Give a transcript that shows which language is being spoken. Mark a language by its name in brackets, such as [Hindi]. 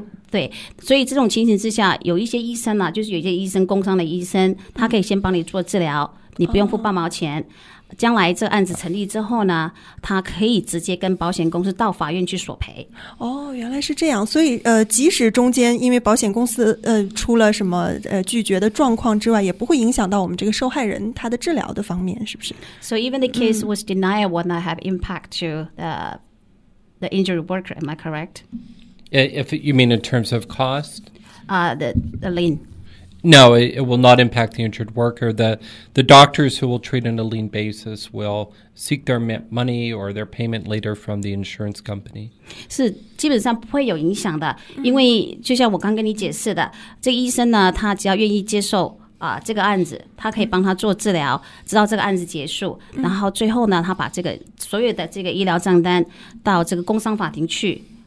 [Chinese] 对，所以这种情形之下，有一些医生就是有一些医生，工伤的医生，他可以先帮你做治疗，你不用付半毛钱。将来这案子成立之后呢，他可以直接跟保险公司到法院去索赔。哦，原来是这样。所以即使中间因为保险公司出了什么拒绝的状况之外，也不会影响到我们这个受害人他的治疗的方面，是不是？ [English] So even the case was denied would not have impact to the injured worker, am I correct? If you mean in terms of cost? The lien. No, it will not impact the injured worker. The doctors who will treat on a lien basis will seek their money or their payment later from the insurance company. [Chinese] 是基本上不会有影响的，因为就像我刚跟你解释的，这个医生呢，他只要愿意接受这个案子，他可以帮他做治疗，直到这个案子结束，然后最后呢，他把这个所有的这个医疗账单到这个工商法庭去。